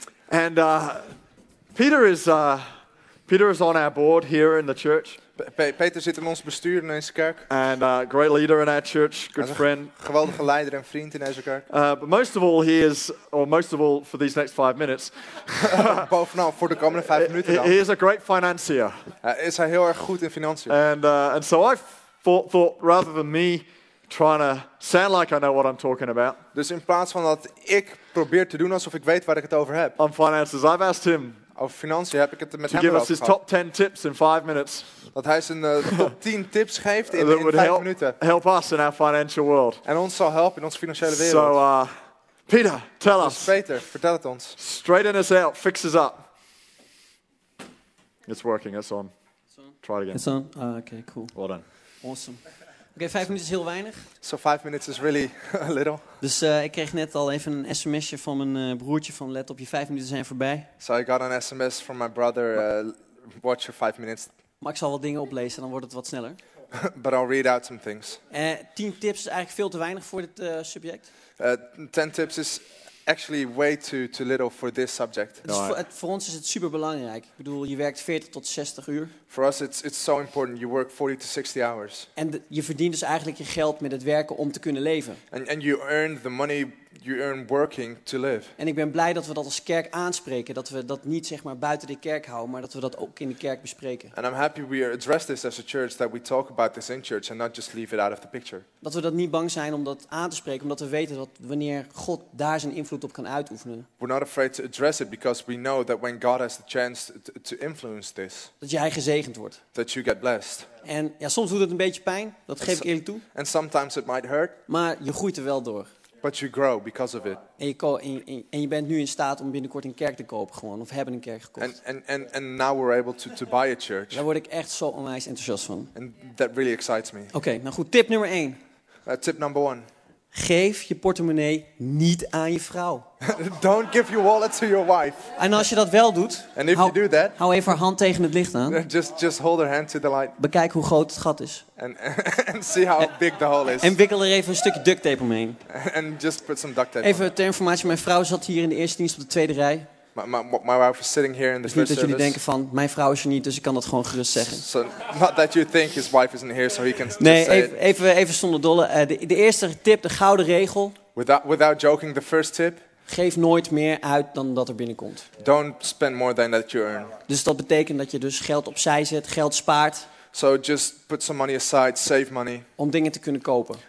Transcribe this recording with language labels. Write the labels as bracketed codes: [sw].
[en] And Peter is on our board here in the church. [nl] Peter zit in ons bestuur in deze kerk. [en] And great leader in our church, good friend. [nl] Geweldige leider en vriend in deze kerk. [en] But most of all, for these next 5 minutes. [nl] Bovenal voor de komende 5 minuten. [en] He is a great financier. [nl] Is hij heel erg goed in financiën. [en] And so I thought rather than me trying to sound like I know what I'm talking about. [nl] Dus in plaats van dat ik probeer te doen alsof ik weet waar ik het over heb. [en] On finances, I've asked him. [nl] Over financiën heb ik het met [en] to give us his top 10 tips in 5 minutes. [nl] Dat hij zijn top 10 tips geeft in 5 minuten. [en] Help us in our financial world. [nl] En ons zal helpen in onze financiële wereld. [en] So, Peter, tell us. [nl] Peter, vertel het ons. [en] Straighten us out, fix us up. It's working, it's on. Try it again. It's on. Okay, cool. Well done. [nl] Awesome. Oké, 5 minuten is heel weinig. [en] So 5 minutes is really a little. [nl] Dus ik kreeg net al even een sms'je van mijn broertje van let op, je 5 minuten zijn voorbij. [en] So I got an sms from my brother, watch your 5 minutes. [nl] Maar ik zal wat dingen oplezen, dan wordt het wat sneller. [en] But I'll read out some things. [nl] 10 tips is eigenlijk veel te weinig voor dit subject. [en] 10 tips is actually way too little for this subject. [nl] Voor ons is het super belangrijk. Ik bedoel, je werkt 40 tot 60 uur. [en] For us it's so important. You work 40 to 60 hours. [nl] En je verdient dus eigenlijk je geld met het werken om te kunnen leven. [en] And you earn the money you earn working to live. [nl] En ik ben blij dat we dat als kerk aanspreken, dat we dat niet zeg maar buiten de kerk houden, maar dat we dat ook in de kerk bespreken. [en] And I'm happy we address this as a church, that we talk about this in church and not just leave it out of the picture. [nl] Dat we dat niet bang zijn om dat aan te spreken, omdat we weten dat wanneer God daar zijn invloed op kan uitoefenen. [en] We're not afraid to address it because we know that when God has the chance to influence this. [nl] Dat jij gezegend wordt. [en] That you get blessed. [nl] En ja, soms doet het een beetje pijn, dat geef ik eerlijk toe. [en] And sometimes it might hurt. [nl] Maar je groeit er wel door. [en] But you grow because of it. [nl] En je bent nu in staat om binnenkort een kerk te kopen gewoon, of hebben een kerk gekocht. [en] And now we're able to buy a church. [nl] Daar word ik echt zo onwijs enthousiast van. [en] And that really excites me. [nl] Oké, nou goed, tip nummer 1. [en] Tip number 1. [nl] Geef je portemonnee niet aan je vrouw. [en] Don't give your wallet to your wife. [nl] En als je dat wel doet, [en] and if you do that, [nl] hou even haar hand tegen het licht aan. [en] Just hold her hand to the light. [nl] Bekijk hoe groot het gat is. [en] And see how big the hole is. [nl] En wikkel er even een stukje duct tape omheen. [en] And just put some duct tape. [nl] Even ter informatie, mijn vrouw zat hier in de eerste dienst op de tweede rij. [en] My wife is sitting here in the [nl] dus niet [en] first [nl] dat jullie denken van, mijn vrouw is er niet, dus ik kan dat gewoon gerust zeggen. [en] So, not that you think his wife isn't here, so he can. [nl] Nee, even zonder dolle. De eerste tip, de gouden regel. [en] Without joking, the first tip. [nl] Geef nooit meer uit dan dat er binnenkomt. [en] Don't spend more than that you earn. [nl] Dus dat betekent dat je dus geld opzij zet, geld spaart. [en] So just put some money aside, save money. [nl] Om dingen te kunnen kopen.